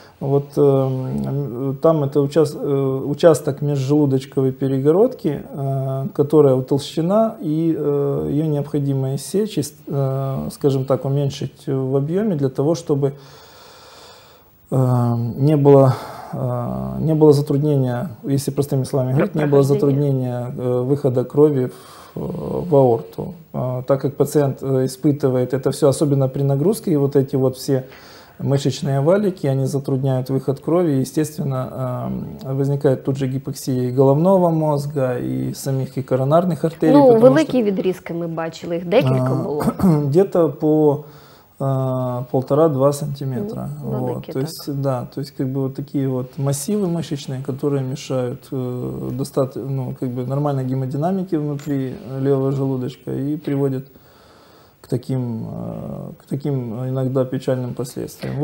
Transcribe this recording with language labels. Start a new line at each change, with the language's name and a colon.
Russian: Вот там это участок межжелудочковой перегородки, которая утолщена, и ее необходимо иссечь, скажем так, уменьшить в объеме для того, чтобы не было затруднения, если простыми словами говорить, не было затруднения выхода крови в аорту. Так как пациент испытывает это все, особенно при нагрузке, вот эти вот все мышечные валики, они затрудняют выход крови, естественно, возникает тут же гипоксия и головного мозга, и самих и коронарных артерий.
Ukrainian: Ну, великі відрізки ми бачили, їх декілька було.
Russian: Где-то по 1,5-2 сантиметра. Вот. То есть, да, то есть, как бы вот такие вот массивы мышечные, которые мешают достаточно, ну, как бы нормальной гемодинамике внутри левого желудочка и приводят к таким иногда печальным последствиям.